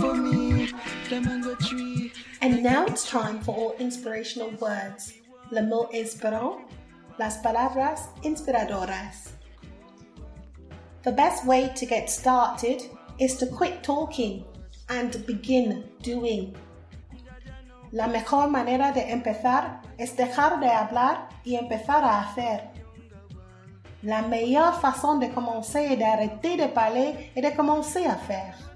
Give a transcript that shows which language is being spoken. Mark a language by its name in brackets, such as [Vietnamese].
[English] And now it's time for our inspirational words. [French] Le mot inspirant, [Spanish] las palabras inspiradoras. [English] The best way to get started is to quit talking and begin doing. [Spanish] La mejor manera de empezar es dejar de hablar y empezar a hacer. [French] La meilleure façon de commencer est d'arrêter de parler et de commencer à faire.